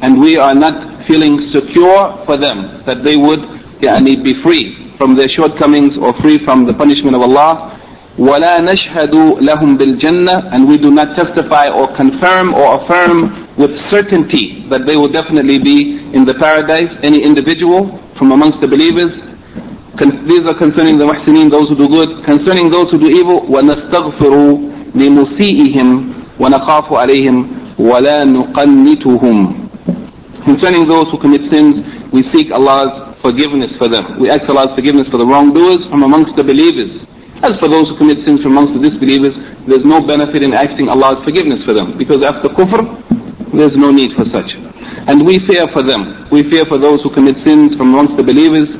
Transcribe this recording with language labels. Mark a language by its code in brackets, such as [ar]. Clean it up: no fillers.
[en] And we are not feeling secure for them, that they would be free from their shortcomings or free from the punishment of Allah. [ar] وَلَا نَشْهَدُوا لَهُمْ بِالْجَنَّةِ. [en] And we do not testify or confirm or affirm with certainty that they will definitely be in the paradise, any individual from amongst the believers. These are concerning the muhsineen, those who do good. Concerning those who do evil, [ar] وَنَسْتَغْفِرُوا لِمُسِيئِهِمْ وَنَخَافُ عَلَيْهِمْ وَلَا نُقَنِّتُهُمْ. [en] Concerning those who commit sins, we seek Allah's forgiveness for them. We ask Allah's forgiveness for the wrongdoers from amongst the believers. As for those who commit sins from amongst the disbelievers, there's no benefit in asking Allah's forgiveness for them, because after kufr, there's no need for such. And we fear for them. We fear for those who commit sins from amongst the believers.